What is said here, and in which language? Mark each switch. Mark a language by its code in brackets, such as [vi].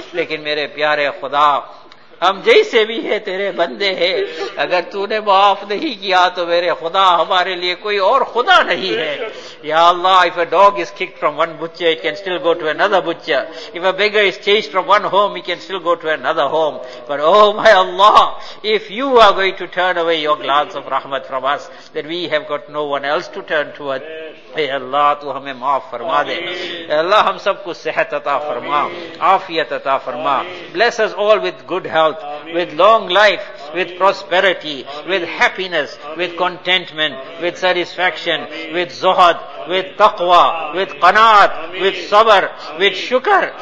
[ur] Lekin mere pyare khuda, ہم جیسے بھی ہیں تیرے بندے ہیں. اگر تُو نے معاف نہیں کیا تو میرے خدا, ہمارے لئے کوئی اور خدا نہیں ہے. [en] یا اللہ, if a dog is kicked from one butcher, it can still go to another butcher. If a beggar is chased from one home, he can still go to another home. But oh my Allah, if you are going to turn away your glance of rahmat from us, then we have got no one else to turn towards. [ur] اے اللہ, تُو ہمیں معاف فرما دے. اے اللہ, ہم سب کو صحت عطا فرما, عافیت عطا فرما. [en] Bless us all with good health, health, with long life, with prosperity, with happiness, with contentment, with satisfaction, with zuhad, with taqwa, with qanaat, with sabr, with shukr.